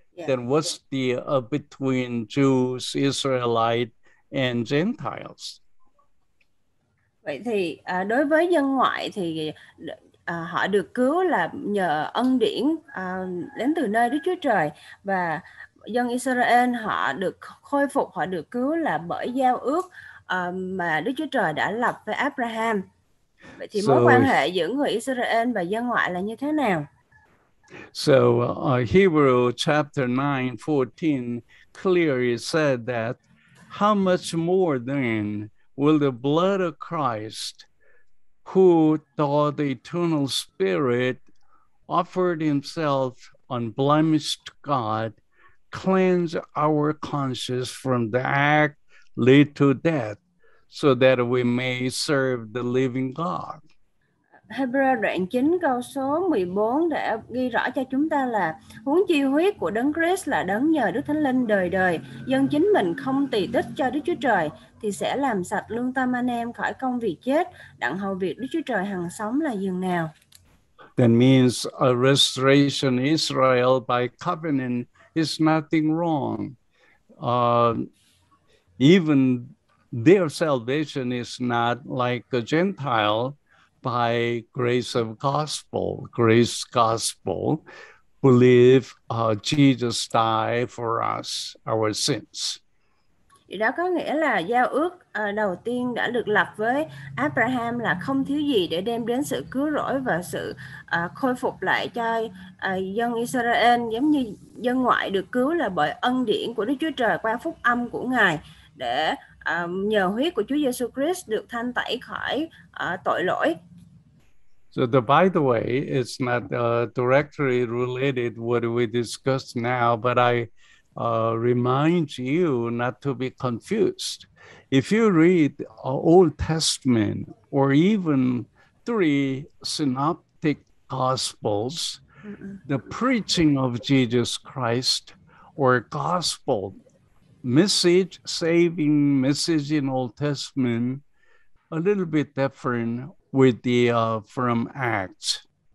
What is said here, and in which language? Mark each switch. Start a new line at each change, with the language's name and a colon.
English: Then what's the between Jews, Israelite, and Gentiles?
Vietnamese: Vậy thì đối với dân ngoại thì họ được cứu là nhờ ân điển đến từ nơi Đức Chúa Trời, và dân Israel họ được khôi phục, họ được cứu là bởi giao ước mà Đức Chúa Trời đã lập với Abraham. Vậy thì mối quan hệ giữa người Israel và dân ngoại là như thế nào?
English: So Hebrew chapter 9:14 clearly said that how much more then will the blood of Christ, who, though the eternal spirit, offered himself unblemished to God, cleanse our conscience from the act lead to death, so that we may serve the living God.
Vietnamese: Hebrew đoạn 9 câu số 14 đã ghi rõ cho chúng ta là huống chi huyết của Đấng Christ là đấng nhờ Đức Thánh Linh đời đời dâng chính mình không tỳ tích cho Đức Chúa Trời thì sẽ làm sạch lương tâm anh em khỏi công việc chết đặng hầu việc Đức Chúa Trời hằng sống là dường nào.
English: That means a restoration Israel by covenant is nothing wrong. Even their salvation is not like a Gentile by grace of gospel. Grace gospel, believe Jesus died for us, our sins.
Vietnamese: Đó có nghĩa là giao ước đầu tiên đã được lập với Abraham là không thiếu gì để đem đến sự cứu rỗi và sự khôi phục lại cho dân Israel giống như dân ngoại được cứu là bởi ân điển của Đức Chúa Trời qua phúc âm của Ngài để nhờ huyết của Chúa Giêsu Christ được thanh tẩy khỏi tội lỗi.
English: So the, by the way, it's not directly related what we discussed now, but I remind you not to be confused. If you read Old Testament or even three synoptic gospels, the preaching of Jesus Christ or gospel message, saving message in Old Testament, a little bit different with the from Acts.